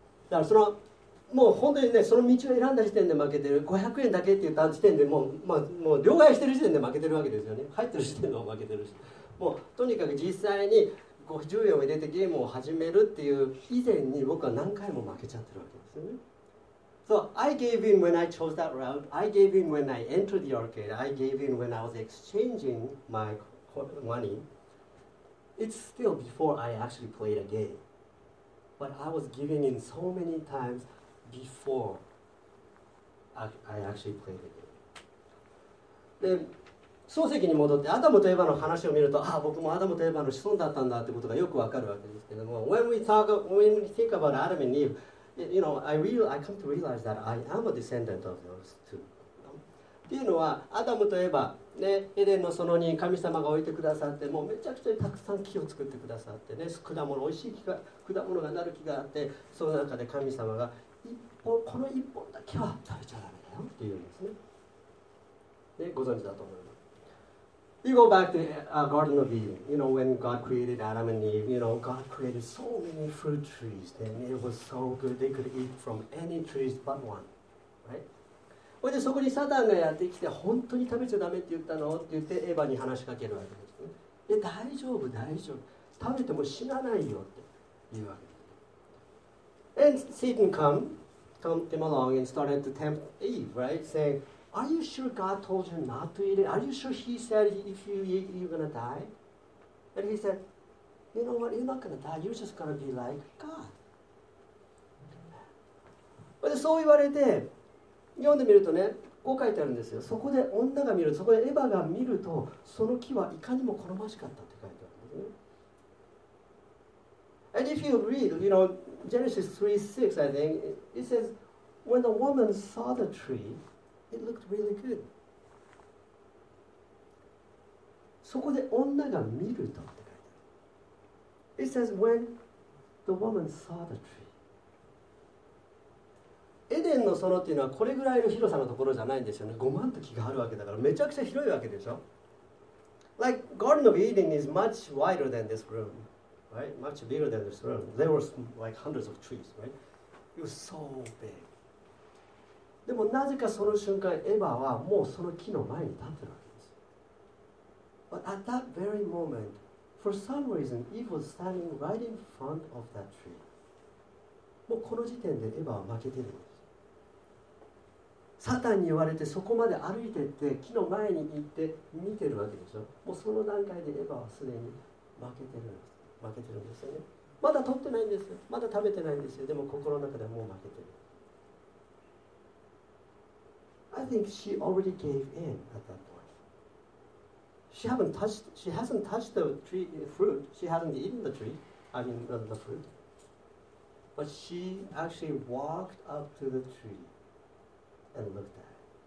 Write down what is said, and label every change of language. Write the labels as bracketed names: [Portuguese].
[Japanese] だからそのもう本当にね、その道を選んだ時点で負けてる。 500円だけって言った時点でもう両替してる時点で負けてるわけですよね。入ってる時点でも負けてるし。もうとにかく実際に50円を入れてゲームを始めるっていう以前に僕は何回も負けちゃってるわけですよね。 [English] So I gave in when I chose that route. I gave in when I entered the arcade. I gave in when I was exchanging my money. It's still before I actually played a game. But I was giving in so many times before I actually played a game. [Japanese] で創世記に戻ってアダムとエヴァの話を見ると、ああ、僕もアダムとエヴァの子孫だったんだってことがよくわかるわけですけども、 [English] When we think about Adam and Eve, you know, I come to realize that I am a descendant of those two. [Japanese] っていうのは、アダムとエヴァ、ね、エデンの園に神様が置いてくださって、もうめちゃくちゃたくさん木を作ってくださってね、果物、おいしい木が、果物がなる木があって、その中で神様が、この一本だけは食べちゃダメだよ。たっていうんですね。で、ご存知だと思います。 [English] You go back to the Garden of Eden. You know, when God created Adam and Eve, you know, God created so many fruit trees, and it was so good. They could eat from any trees but one, right? [Japanese] それでそこにサタンがやってきて、本当に食べちゃダメって言ったのって言ってエヴァに話しかけるわけですね。大丈夫、大丈夫。食べても死なないよって言うわけです。 [English] And Satan came along and started to tempt Eve, right? Saying,Are you sure God told you not to eat it? Are you sure He said if you eat, you're going to die? And he said, you know what, you're not going to die. You're just going to be like God. [Japanese] でそう言われて、読んでみるとね、こう書いてあるんですよ。そこで女が見ると、そこでエヴァが見ると、その木はいかにも好ましかったって書いてあるんですね。 [English] And if you read, you know, Genesis 3:6, I think, it says, when the woman saw the tree,It looked really good. [Japanese] そこで女が見るとって書いてある。 [English] It says when the woman saw the tree. [Japanese] エデンの園っていうのはこれぐらいの広さのところじゃないんですよね。5万と木があるわけだからめちゃくちゃ広いわけでしょ。 [English] Like Garden of Eden is much wider than this room, right? Much bigger than this room. There were like hundreds of trees, right? It was so big. [Japanese] でもなぜかその瞬間、エヴァはもうその木の前に立ってるわけです。 [English] But at that very moment, for some reason, Eve was standing right in front of that tree. [Japanese] もうこの時点でエヴァは負けてるんです。サタンに言われてそこまで歩いてって、木の前に行って見てるわけでしょ。もうその段階でエヴァはすでに負けてるんです。負けてるんですよね。まだ取ってないんですよ。まだ食べてないんですよ。でも心の中ではもう負けてる。 [English] I think she already gave in at that point. She hasn't touched the tree fruit. She hasn't eaten the tree. I mean, the fruit. But she actually walked up to the tree and looked at it.